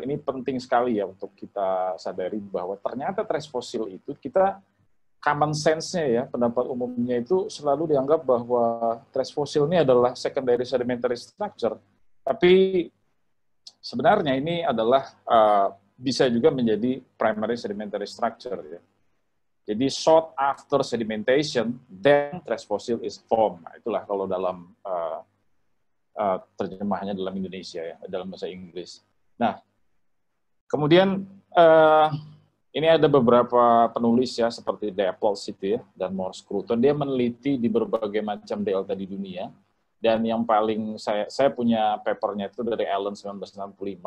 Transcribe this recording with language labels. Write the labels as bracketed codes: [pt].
[id] Ini penting sekali ya untuk kita sadari bahwa ternyata tres fosil itu kita common sense-nya ya, pendapat umumnya itu selalu dianggap bahwa tres fosil ini adalah secondary sedimentary structure. Tapi sebenarnya ini adalah bisa juga menjadi primary sedimentary structure ya. [en] Jadi short after sedimentation, then tres fosil is formed. [id] Nah, itulah kalau dalam terjemahannya dalam Indonesia ya, dalam bahasa Inggris. Nah, kemudian ini ada beberapa penulis ya seperti Diepholz itu ya dan Moore Scruton. Dia meneliti di berbagai macam delta di dunia dan yang paling saya punya papernya itu dari Allen 1965.